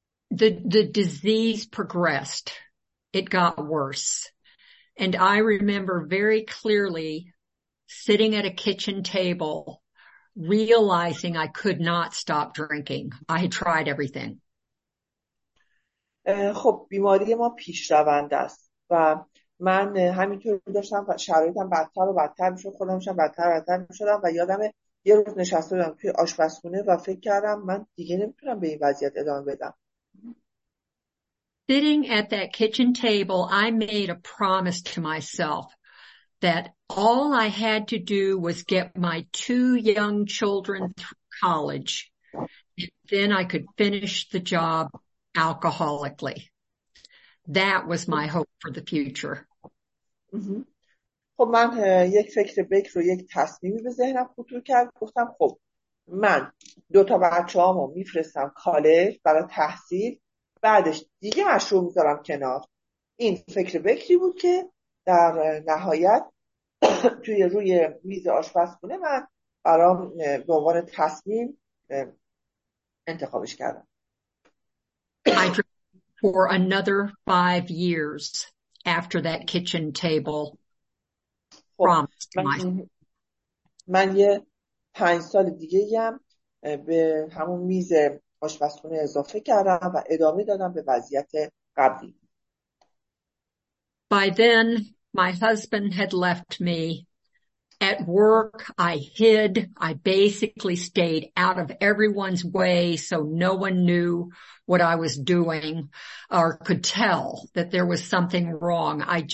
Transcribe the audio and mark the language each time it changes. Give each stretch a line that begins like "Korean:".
English: The disease progressed. It got worse. And I remember very clearly sitting at a kitchen table, realizing I could not stop drinking. I had tried everything.
Persian: خب بیماری ما پیشرونده است و من همینطور داشتم و شرایطم بدتر و بدتر میشد، خودمشم بدتر و بدتر میشدم و یادم یه روز نشسته بودم توی آشپزخونه و فکر کردم من دیگه نمیتونم به این وضعیت ادامه بدم.
English: Sitting at that kitchen table, I made a promise to myself that all I had to do was get my two young children through college, then I could finish the job alcoholically. That was my hope for the future.
Persian: خب من یک فکر بکر و یک تصمیمی به ذهنم خطور کرد. گفتم خب من دو تا بچه‌هامو میفرستم کالج برای تحصیل، بعدش دیگه مشروع میذارم کنار. این فکر بکری بود که در نهایت توی روی میز آشپزخونه من برام به عنوان تصمیم انتخابش کردم.
English: I drank for another 5 years after that kitchen table promised myself.
Persian: من یه 5 سال دیگه هم به همون میز آشپزخونه اضافه کردم و ادامه دادم به وضعیت قبلی.
English: By then, my husband had left me. At work, I hid. I basically stayed out of everyone's way so no one knew what I was doing or could tell that there was something wrong.